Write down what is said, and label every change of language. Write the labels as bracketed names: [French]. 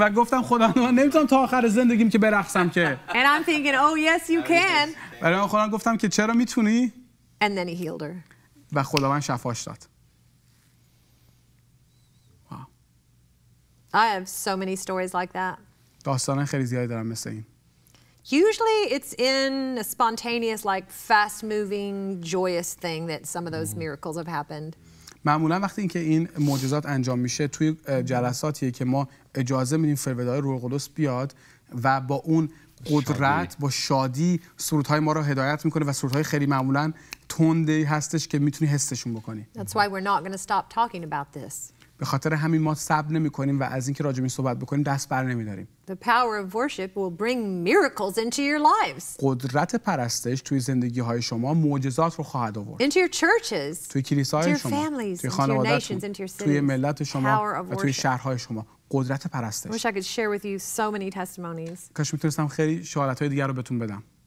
[Persian] و گفتم خدا من نمیتونم تا آخر زندگیم که برقصم که. [English] And I'm thinking, oh yes, you can. [Persian] و من خودم گفتم که چرا میتونی؟ [English] And then he healed her. [Persian] و خداوند شفاش داد. [English] Wow. I have so many stories like that. [Persian] داستان خیلی زیادی دارم مثل این. [English] Usually it's in a spontaneous, like fast-moving, joyous thing that some of those miracles have happened. [Persian] معمولا وقتی اینکه این معجزات انجام میشه توی جلساتیه که ما اجازه میدیم فرودهای روح القدس بیاد و با اون قدرت با شادی سرودهای ما رو هدایت میکنه و سرودهای خیلی معمولا تنده هستش که میتونی حسشون بکنی. [English] That's why we're not going to stop talking about this. [Persian] به خاطر همین ما صبر نمیکنیم و از اینکه راجع به این صحبت بکنیم دست بر نمیداریم. [English] The power of worship will bring miracles into your lives. [Persian] قدرت پرستش توی زندگی های شما معجزات رو خواهد آورد. [English] Into your churches. [Persian] توی کلیساهای شما. [English] Into your families. [Persian] توی خانواده‌تون. [English] Into your cities. [Persian] توی ملت شما. [English] Power of worship. [Persian] و توی شهرهای شما. قدرت پرستش. [English] Wish I could share with you so many testimonies. [Persian] کاش میتونستم خیلی شهادت های دیگر رو بهتون بدم.